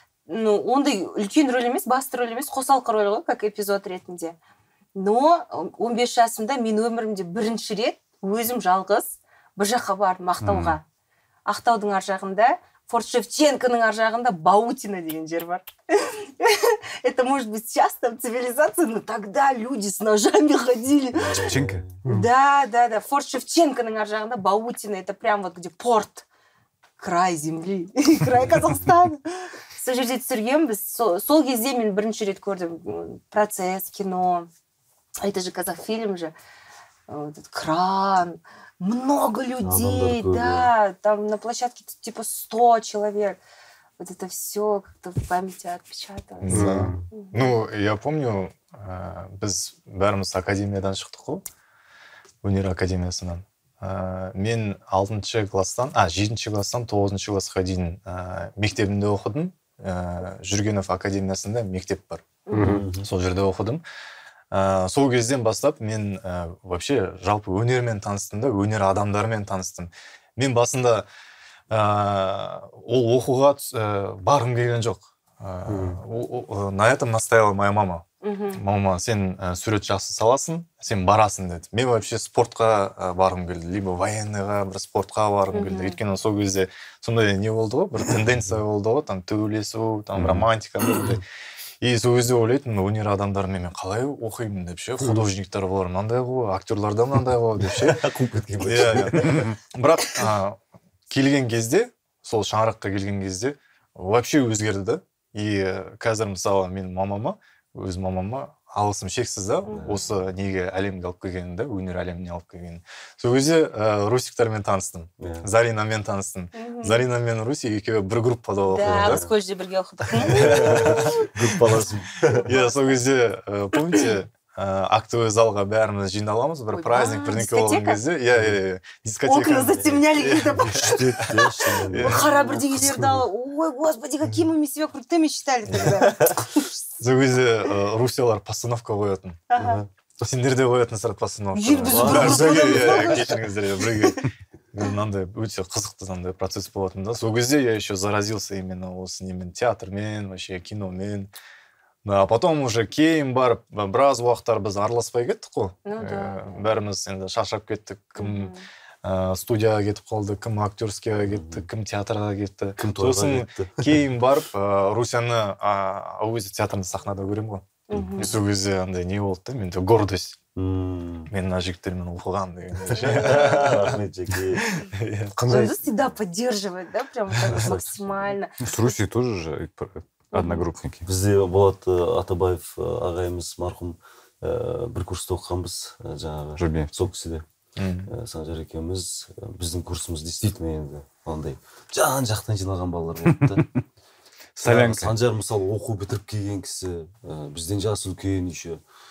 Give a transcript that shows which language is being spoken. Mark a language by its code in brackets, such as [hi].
[kk] Ну, ондай үлкен рөл емес, басты рөл емес, қосалқы рөл ғой, как эпизод ретінде. Но 15 жасымда мен өмірімде бірінші рет өзім жалғыз бір жаққа бардым, Ақтауға. Ақтаудың ар жағында Форт Шевченконың аржағында Баутина деген жер бар. [ru] Это может быть сейчас там цивилизация, но тогда люди с ножами ходили. Шевченко? Да, да, да. [kk] Форт Шевченконың аржағында Баутина. [ru] Это прям вот где порт. Край земли. Край Казахстана. [kk] Сол жерде түсірген біз. Сол кезде мен бірінші рет көрдім. [ru] Процесс, кино. Это же Казахфильм же. Кран. Много людей, да, там на площадке типа 100 человек. Вот это все как-то в памяти отпечаталось. Да. Ну, я помню, [kk] біз бәріміз академиядан шықтық қой, өнер академиясынан. Мен 6-шы класстан, 7-шы класстан 9-шы класқа дейін мектебімде оқыдым. Жүргенов академиясында мектеп бар. Сол жерде оқыдым. Сол кезден бастап, мен вообще жалпы өнермен таныстым да, өнер адамдарымен таныстым. Мен басында ол оқуға барым келген жоқ. [ru] На этом настояла моя мама. [kk] Мама, сен сурет жақсы саласың, сен барасың деді. Мен вообще спортқа барым келді, либо военныйға, бір спортқа барым келді. Өйткені сол кезде сонда не болды ғой, бір тенденция болды ғой, там төбелесу, там романтика. И сол кезде ойлайтын, өнер адамдарымен мен қалай оқимын деп ше, художниктар болар мынандай ғой, актерлар да мынандай ғой деп ше. Қуып кеткен ғой. Бірақ келген кезде, сол шаңыраққа келген кезде, вообще өзгерді да. И қазір мысалы мен мамама, өз мамама алғысым шексіз да, осы неге әлемге алып келгенін да, өнер әлеміне алып келгенін. Сол кезде русиктермен таныстым, Заринамен таныстым. Зарина мен Руси екеуі бір группада оқыдық. Да, біз колледжде бірге оқыдық. Группаласың. Иә, сол кезде, помните, актовый залға бәріміз жиналамыз, бір праздник, бір неке болған кезде. Иә, иә, дискотека. [ru] Окна затемняли какие-то. Штет, да, штет. [kk] Бұқара бір дегелерді алы, [ru] ой, господи, каким мы себя крутыми считали тогда. [kk] Сол кезде русиялар постановка қоятын. Сендерде қоятын сырт постановка. Кешіріңіздер, бірге. Мынандай өте қызықты андай процесс болатын да. Сол кезде [ru] я еще заразился именно [kk] осы немен, театрмен, вообще киномен. [ru] Да, а потом уже [kk] кейін барып, біраз уақыттар біз араласпай кеттік қой. Бәріміз енді шаршап кеттік, кім студияға кетіп қалды, кім актерскияға кетті, кім театрға кетті. Кім тойға кетті. Кейін барып, Русяны өзі театрында сахнада көремін ғой. Сол кезде андай не болды да, менде гордость. Мен мына жігіттермен оқыған деген. Рахмет, жеке. [ru] Қандай всегда поддерживает, да, прямо так максимально. С Русей тоже же одногруппники. [kk] Бізде Болат Атабаев ағайымыз марқұм бір курста оқығанбыз жаңағы. Жүрген. Сол кісіде. Санжар екеуміз, біздің курсымыз действительно енді ондай жан жақтан жиналған балалар болды. [ru] Солянка. [kk] Санжар мысалы оқу бітіріп келген кісі, бізден жасы үлкен еще.